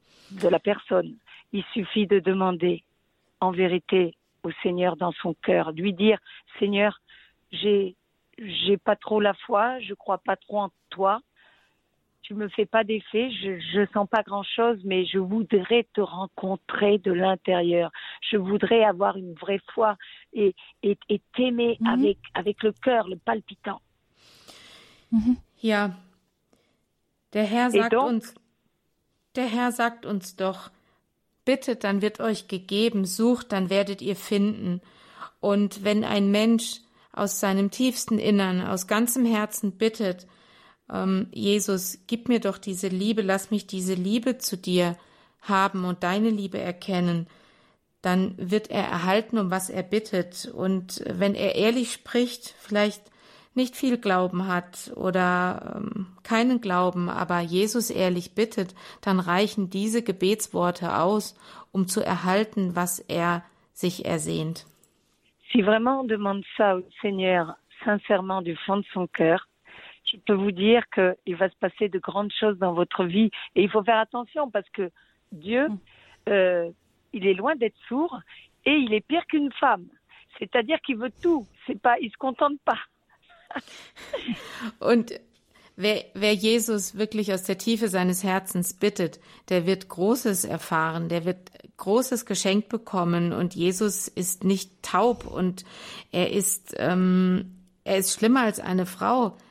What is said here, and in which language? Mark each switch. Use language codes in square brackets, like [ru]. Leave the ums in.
[fr] de la personne, il suffit de demander en vérité au Seigneur dans son cœur, lui dire Seigneur, j'ai j'ai pas trop la foi, je crois pas trop en toi, tu me fais pas d'effet, je, je sens pas grand chose, mais je voudrais te rencontrer de l'intérieur. Je voudrais avoir une vraie foi et, et, et t'aimer Mhm. avec, avec le cœur, le palpitant. Mhm. [de] Ja, der Herr sagt doch- uns, der Herr sagt uns doch, bittet, dann wird euch gegeben, sucht, dann werdet ihr finden. Und wenn ein Mensch aus seinem tiefsten Innern, aus ganzem Herzen bittet, ähm, Jesus, gib mir doch diese Liebe, lass mich diese Liebe zu dir haben und deine Liebe erkennen, dann wird er erhalten, um was er bittet. Und wenn er ehrlich spricht, vielleicht nicht viel Glauben hat oder ähm, keinen Glauben, aber Jesus ehrlich bittet, dann reichen diese Gebetsworte aus, um zu erhalten, was er sich ersehnt. [fr] Si vraiment on demande ça au Seigneur, sincèrement, du fond de son cœur, je peux vous dire qu'il va se passer de grandes choses dans votre vie. Et il faut faire attention parce que Dieu, euh, il est loin d'être sourd et il est pire qu'une femme. C'est-à-dire qu'il veut tout. C'est pas, il se contente pas. [de] Und wer, wer Jesus wirklich aus der Tiefe seines Herzens bittet, der wird Großes erfahren, der wird Großes geschenkt bekommen. Und Jesus ist nicht taub und er ist, ähm, er ist schlimmer als eine Frau.